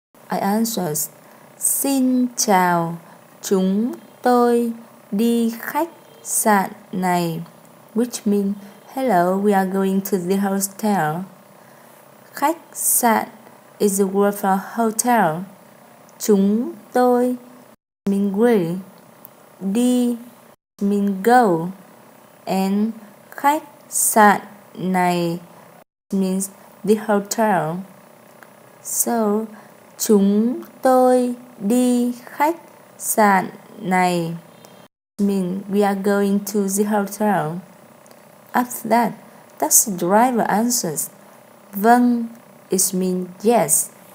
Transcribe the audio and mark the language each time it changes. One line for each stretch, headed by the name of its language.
English: I answered,
Vietnamese: xin chào, chúng tôi đi khách sạn này.
English: Which means, hello, we are going to the hotel.
Vietnamese: Khách sạn
English: is the word for hotel.
Vietnamese: Chúng tôi
English: mean we.
Vietnamese: Đi
English: mean go. And
Vietnamese: khách sạn này
English: means the hotel. So,
Vietnamese: chúng tôi đi khách sạn này
English: mean we are going to the hotel. After that, taxi driver answers,
Vietnamese: vâng
English: is mean yes.